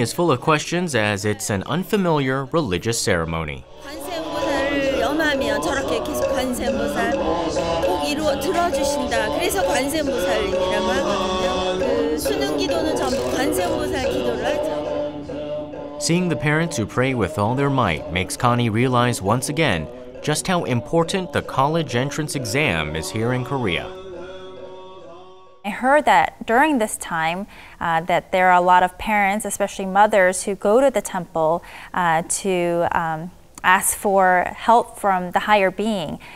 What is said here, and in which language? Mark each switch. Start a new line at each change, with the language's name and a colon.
English: is full of questions as it's an unfamiliar religious ceremony.
Korean: 관세음보살을 염하면 저렇게 계속 관세음보살 꼭 이루어 들어주신다. 그래서 관세음보살이라고 하거든요. 그 수능 기도는 전부 관세음보살 기도를 하죠.
English: Seeing the parents who pray with all their might makes Connie realize once again just how important the college entrance exam is here in Korea. I heard that during this time that there are a lot of parents, especially mothers, who go to the temple to ask for help from the higher being.